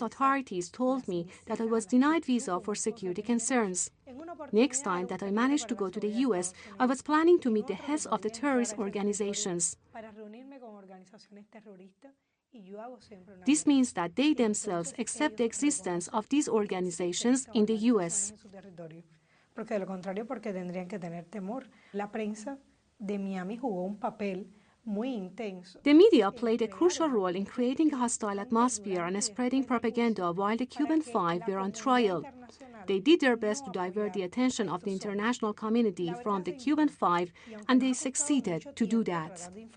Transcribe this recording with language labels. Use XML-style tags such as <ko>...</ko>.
<en>authorities told me that I was denied visa for security concerns. Next time that I managed to go to the U.S., I was planning to meet the heads of the terrorist organizations. This means that they themselves accept the existence of these organizations in the U.S.</en> <es>Porque de lo contrario, porque tendrían que tener temor. La prensa de Miami jugó un papel muy intenso.</es> <en>The media played a crucial role in creating a hostile atmosphere and spreading propaganda while the Cuban Five were on trial. They did their best to divert the attention of the international community from the Cuban Five, and they succeeded to do that.</en>